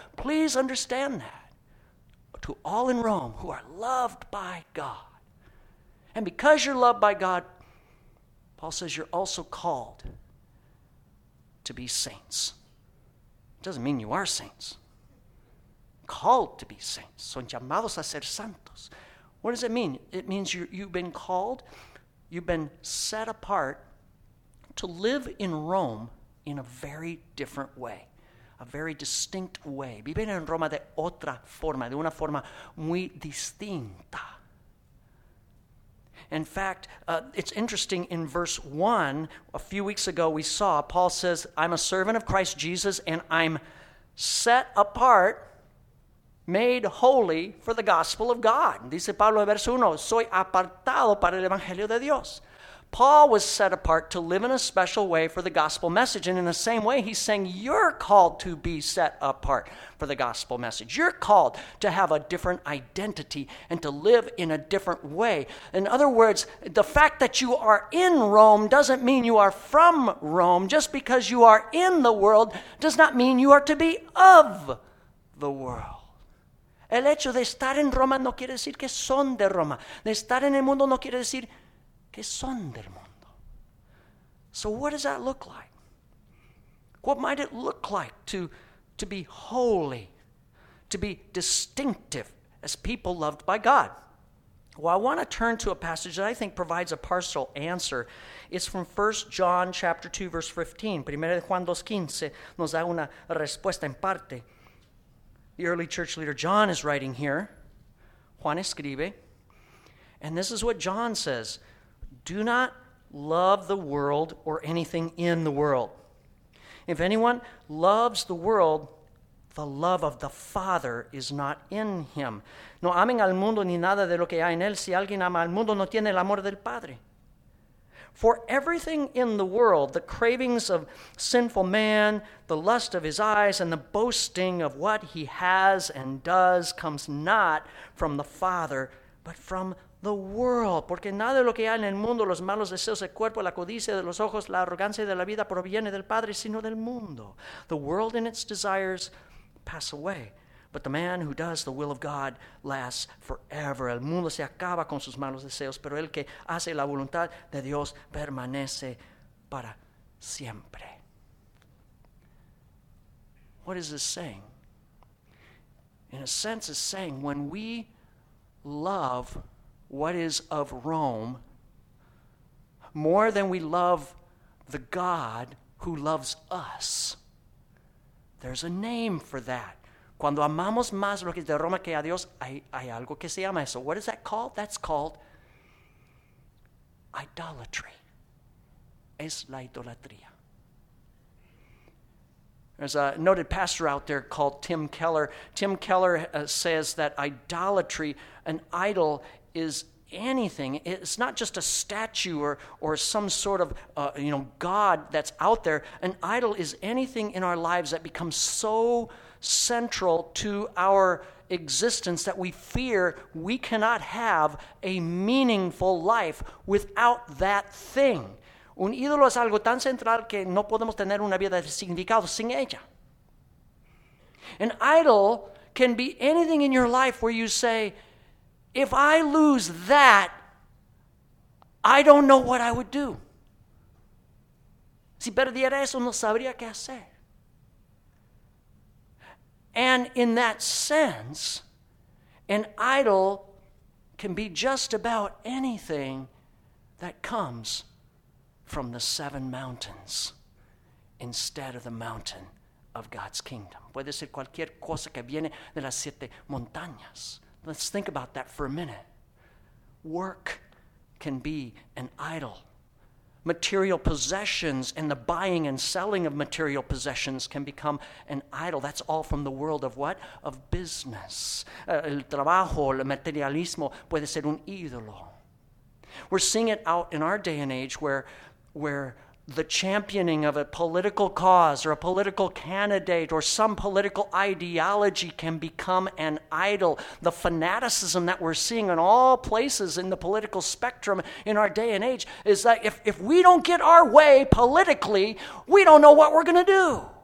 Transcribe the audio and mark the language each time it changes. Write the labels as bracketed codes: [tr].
[en] Please understand that. To all in Rome who are loved by God. And because you're loved by God, Paul says you're also called to be saints. It doesn't mean you are saints. Called to be saints. [es] Son llamados a ser santos. [en] What does it mean? It means you've been called, you've been set apart to live in Rome in a very different way. A very distinct way. [es] Viven en Roma de otra forma, de una forma muy distinta. [en] In fact, it's interesting in verse 1, a few weeks ago we saw, Paul says, I'm a servant of Christ Jesus and I'm set apart, made holy for the gospel of God. [es] Dice Pablo en verso 1, soy apartado para el evangelio de Dios. [en] Paul was set apart to live in a special way for the gospel message. And in the same way, he's saying, you're called to be set apart for the gospel message. You're called to have a different identity and to live in a different way. In other words, the fact that you are in Rome doesn't mean you are from Rome. Just because you are in the world does not mean you are to be of the world. [es] El hecho de estar en Roma no quiere decir que son de Roma. De estar en el mundo no quiere decir que son del mundo. [en] So what does that look like? What might it look like to be holy, to be distinctive as people loved by God? Well, I want to turn to a passage that I think provides a partial answer. It's from 1 John chapter 2, verse 15. [es] Primera de Juan 2:15 nos da una respuesta en parte. [en] The early church leader John is writing here. [es] Juan escribe. [en] And this is what John says. Do not love the world or anything in the world. If anyone loves the world, the love of the Father is not in him. [es] No amen al mundo ni nada de lo que hay en él. Si alguien ama al mundo, no tiene el amor del Padre. [en] For everything in the world, the cravings of sinful man, the lust of his eyes, and the boasting of what he has and does comes not from the Father, but from the world, [es] porque nada de lo que hay en el mundo, los malos deseos del cuerpo, la codicia de los ojos, la arrogancia de la vida proviene del Padre, sino del mundo. [en] The world and its desires pass away, but the man who does the will of God lasts forever. [es] El mundo se acaba con sus malos deseos, pero el que hace la voluntad de Dios permanece para siempre. [en] What is this saying? In a sense, it's saying when we love what is of Rome more than we love the God who loves us. There's a name for that. [es] Cuando amamos más lo que es de Roma que a Dios, hay algo que se llama eso. [en] What is that called? That's called idolatry. [es] Es la idolatría. [en] There's a noted pastor out there called Tim Keller. Tim Keller says that idolatry, an idol, is anything. It's not just a statue or some sort of God that's out there. An idol is anything in our lives that becomes so central to our existence that we fear we cannot have a meaningful life without that thing. [es] Un ídolo es algo tan central que no podemos tener una vida de significado sin ella. [en] An idol can be anything in your life where you say, if I lose that, I don't know what I would do. [es] Si perdiera eso, no sabría qué hacer. [en] And in that sense, an idol can be just about anything that comes from the seven mountains instead of the mountain of God's kingdom. [es] Puede ser cualquier cosa que viene de las siete montañas. [en] Let's think about that for a minute. Work can be an idol. Material possessions and the buying and selling of material possessions can become an idol. That's all from the world of what? Of business. [es] El trabajo, el materialismo puede ser un ídolo. [en] We're seeing it out in our day and age where the championing of a political cause or a political candidate or some political ideology can become an idol. The fanaticism that we're seeing in all places in the political spectrum in our day and age is that if we don't get our way politically, we don't know what we're going to do.